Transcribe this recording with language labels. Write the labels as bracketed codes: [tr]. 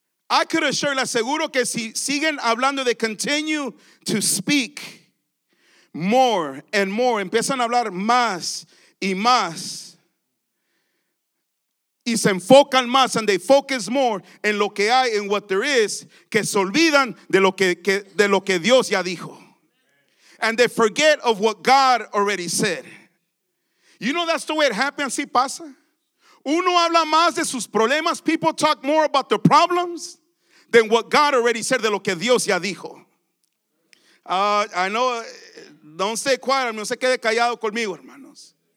[en] I could assure, [es] le aseguro que si siguen hablando, [en] they continue to speak more and more. [es] Empiezan a hablar más y más. Y se enfocan más, [en] and they focus more [es] en lo que hay, en [en] what there is, [es] que se olvidan de lo que Dios ya dijo. [en] And they forget of what God already said. You know that's the way it happens. [es] Así pasa. Uno habla más de sus problemas. [en] People talk more about their problems than what God already said, [es] de lo que Dios ya dijo. [en] I know, don't stay quiet. [es] No se quede callado conmigo, hermanos.